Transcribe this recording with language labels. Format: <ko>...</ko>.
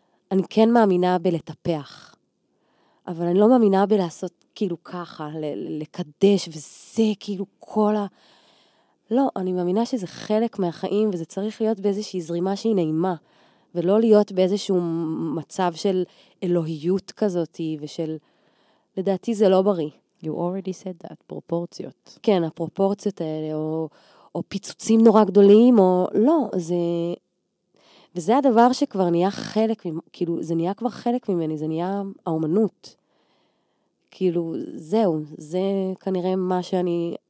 <he>אני כן מאמינה בלטפח. אבל אני לא מאמינה בלעשות כאילו ככה, לקדש, וזה כאילו כל ה... לא, אני מאמינה שזה חלק מהחיים, וזה צריך להיות באיזושהי זרימה שהיא נעימה, ולא להיות באיזשהו מצב של אלוהיות כזאת, ושל... לדעתי זה לא בריא.</he> <en>You already said that, פרופורציות.</en> <he>כן, הפרופורציות האלה, או פיצוצים נורא גדולים, או לא, זה... וזה הדבר שכבר נהיה חלק, כאילו, זה נהיה כבר חלק ממני, זה נהיה האומנות. כאילו, זהו, זה כנראה מה שאני...</he>